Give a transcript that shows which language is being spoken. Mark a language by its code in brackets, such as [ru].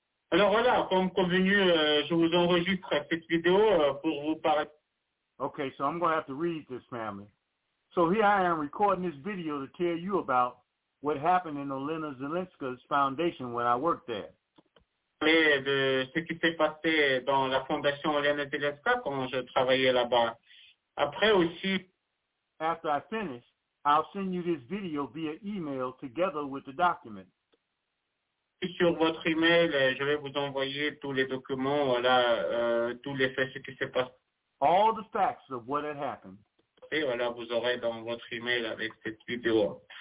[fr] Alors voilà, comme convenu, je vous enregistre cette vidéo pour vous parler. [en] Okay, so I'm going to have to read this, family. So here I am recording this video to tell you about what happened in Olena Zelenska's foundation when I worked there. [fr] De ce qui s'est passé dans la fondation Olena Zelenska quand je travaillais là-bas. Après aussi, [en] after I finish, I'll send you this video via email together with the document. [fr] Sur votre email, je vais vous envoyer tous les documents, voilà, tous les faits, ce qui s'est passé. [en] All the facts of what had happened. [fr] Et voilà, vous aurez dans votre email avec cette vidéo.